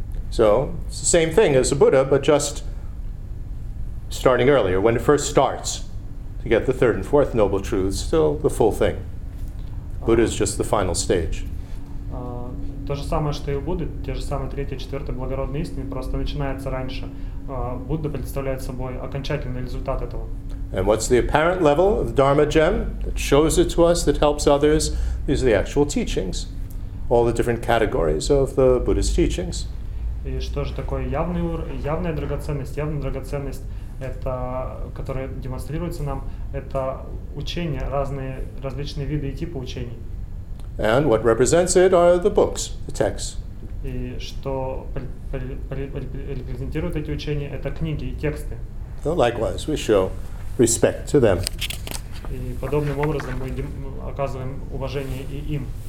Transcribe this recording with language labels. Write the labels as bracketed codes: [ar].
[en] So, it's the same thing as the Buddha, but just starting earlier, when it first starts to get the third and fourth noble truths, still the full thing. Buddha is just the final stage. [ru] То же самое, что и у Будды, те же самые третья, четвертая благородные истины, просто начинается раньше. Будда представляет собой окончательный результат этого. [en] And what's the apparent level of Dharma gem that shows it to us, that helps others? These are the actual teachings, all the different categories of the Buddhist teachings. [ru] И что же такое явная драгоценность? Явная драгоценность, это, которая демонстрируется нам, это учения, различные виды и типы учений. [en] And what represents it are the books, the texts. [ru] И что репрезентируют эти учения, это книги и тексты. [en] So likewise, we show respect to them. [ru] И подобным образом мы оказываем уважение и им.